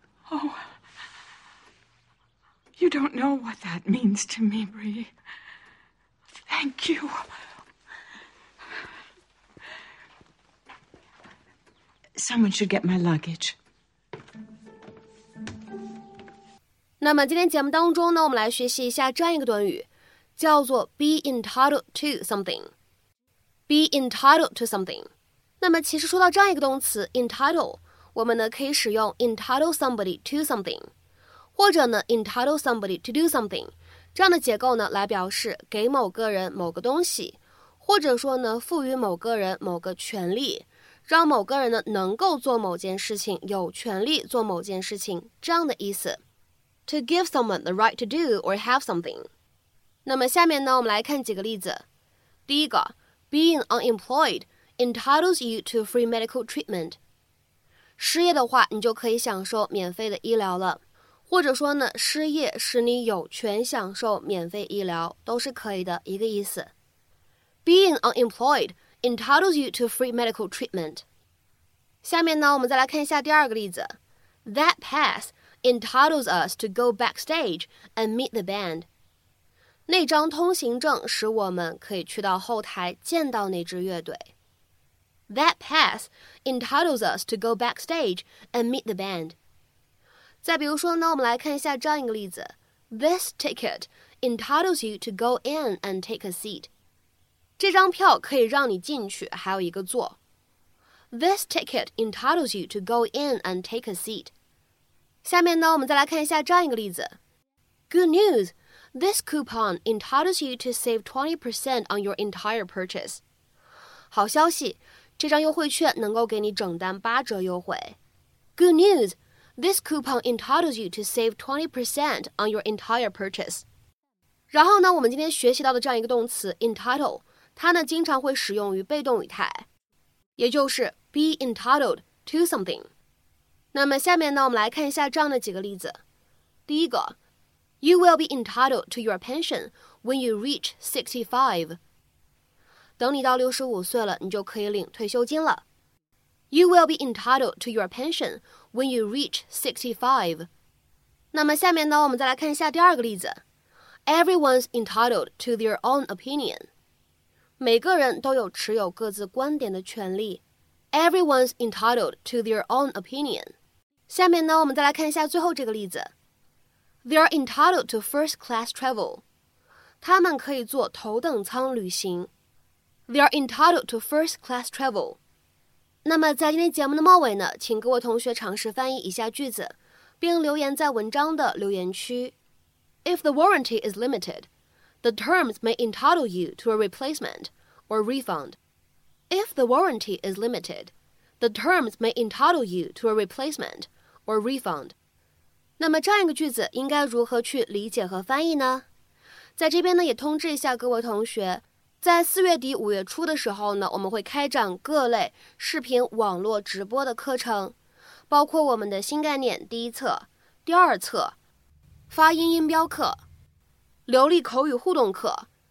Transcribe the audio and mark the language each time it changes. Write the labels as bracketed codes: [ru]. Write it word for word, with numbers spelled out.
[en] Oh, you don't know what that means to me, Bree. Thank you. Someone should get my luggage. [zh] 那么今天节目当中呢，我们来学习一下这样一个短语，叫做 be entitled to something. [en] Be entitled to something. [zh] 那么其实说到这样一个动词 entitle， 我们呢可以使用 entitle somebody to something，或者呢 entitle somebody to do something 这样的结构呢来表示给某个人某个东西，或者说呢赋予某个人某个权利，让某个人呢能够做某件事情，有权利做某件事情这样的意思。 [en] To give someone the right to do or have something. [zh] 那么下面呢，我们来看几个例子。 [en] 第一个，being unemployed entitles you to free medical treatment. [zh] 失业的话，你就可以享受免费的医疗了。或者说呢，失业使你有权享受免费医疗，都是可以的一个意思。 [en] Being unemployed entitles you to free medical treatment. [zh] 下面呢，我们再来看一下第二个例子。 [en] That pass. Entitles us to go backstage and meet the band. [zh] 那张通行证使我们可以去到后台见到那支乐队。 [en] That pass entitles us to go backstage and meet the band. [zh] 再比如说呢，我们来看一下这样一个例子。 [en] This ticket entitles you to go in and take a seat. [zh] 这张票可以让你进去，还有一个座。 [en] This ticket entitles you to go in and take a seat. [zh] 下面呢，我们再来看一下这样一个例子。 [en] Good news! This coupon entitles you to save twenty percent on your entire purchase. [zh] 好消息，这张优惠券能够给你整单八折优惠。 [en] Good news! This coupon entitles you to save twenty percent on your entire purchase. [zh] 然后呢，我们今天学习到的这样一个动词 entitle， 它呢经常会使用于被动语态，也就是 be entitled to something。那么下面呢，我们来看一下这样的几个例子。 [en] 第一个，You will be entitled to your pension when you reach sixty-five. [zh] 等你到六十五岁了，你就可以领退休金了。 [en] You will be entitled to your pension when you reach sixty-five. [zh] 那么下面呢，我们再来看一下第二个例子。 [en] Everyone's entitled to their own opinion. [zh] 每个人都有持有各自观点的权利。 [en] Everyone's entitled to their own opinion. [zh] 下面呢，我们再来看一下最后这个例子。 [en] They are entitled to first-class travel. [zh] 他们可以坐头等舱旅行。 [en] They are entitled to first-class travel. [zh] 那么在今天节目的末尾呢，请各位同学尝试翻译以下句子，并留言在文章的留言区。 [en] If the warranty is limited, the terms may entitle you to a replacement or refund. If the warranty is limited, the terms may entitle you to a replacement. or refund. [zh] 那么这样一个句子应该如何去理解和翻译呢？在这边呢也通知一下各位同学，在四月底五月初的时候呢，我们会开展各类视频网络直播的课程，包括我们的新概念第一册、第二册、发音音标课、流利口语互动课。